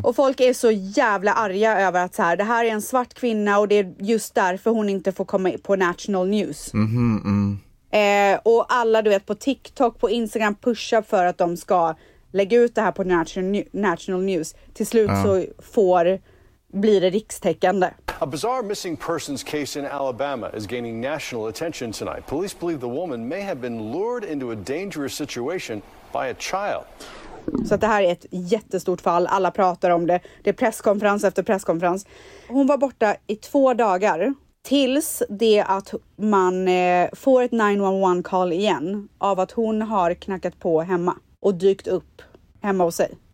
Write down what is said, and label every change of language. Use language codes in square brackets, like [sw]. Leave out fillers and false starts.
[sv] Och folk är så jävla arga över att så här, det här är en svart kvinna och det är just därför hon inte får komma på national news. Och alla, du vet, på TikTok, på Instagram pushar för att de ska lägga ut det här på national news. Till slut så blir det rikstäckande. [en] A bizarre missing persons case in Alabama is gaining national attention tonight. Police believe the woman may have been lured into a dangerous situation by a child. [sv] Så att det här är ett jättestort fall. Alla pratar om det. Det är presskonferens efter presskonferens. Hon var borta i 2 dagar. Tills det att man får ett 911 call igen av att hon har knackat på hemma och dykt upp hemma hos sig.